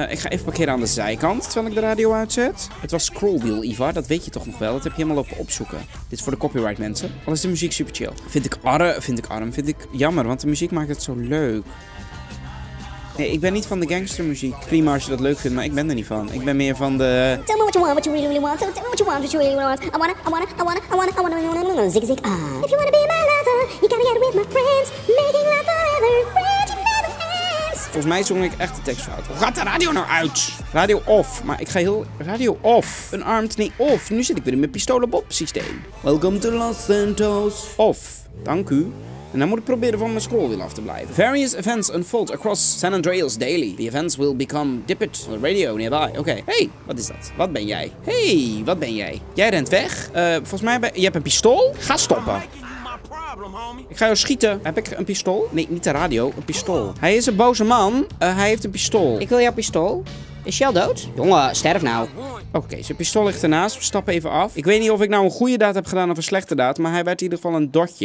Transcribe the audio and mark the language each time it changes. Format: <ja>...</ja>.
<nl>Ik ga even parkeren aan de zijkant, terwijl ik de radio uitzet. Het was Scrollwheel, Ivar. Dat weet je toch nog wel? Dat heb je helemaal lopen opzoeken. Dit is voor de copyright, mensen. Al is de muziek super chill. Vind ik jammer, want de muziek maakt het zo leuk. Nee, ik ben niet van de gangstermuziek. Prima als je dat leuk vindt, maar ik ben er niet van. Ik ben meer van de...</nl> <en>Tell me what you want, what you really want. Tell me what you want, what you really want. I wanna, zig zig, ah. If you wanna be my lover, you gotta get with my friends. Making love forever, friends you never ends.</en> <nl>Volgens mij zong ik echt de tekst fout. Hoe gaat de radio nou uit? Radio off, maar ik ga heel... Radio off. Een armed, nee, off. Nu zit ik weer in mijn pistolenbob systeem.</nl> <en>Welcome to Los Santos.</en> <nl>Off, dank u. En dan moet ik proberen van mijn scrollwiel af te blijven.</nl> <en>Various events unfold across San Andreas daily. The events will become dipped on the radio nearby.</en> <nl>Oké. Hey, wat is dat? Wat ben jij? Jij rent weg. Volgens mij je hebt een pistool? Ga stoppen. Ik ga jou schieten. Heb ik een pistool? Nee, niet de radio. Een pistool. Hij is een boze man. Hij heeft een pistool. Ik wil jouw pistool. Is Shell dood? Jongen, sterf nou. Oké, zijn pistool ligt ernaast. We stappen even af. Ik weet niet of ik nou een goede daad heb gedaan of een slechte daad, maar hij werd in ieder geval een dotje.</nl>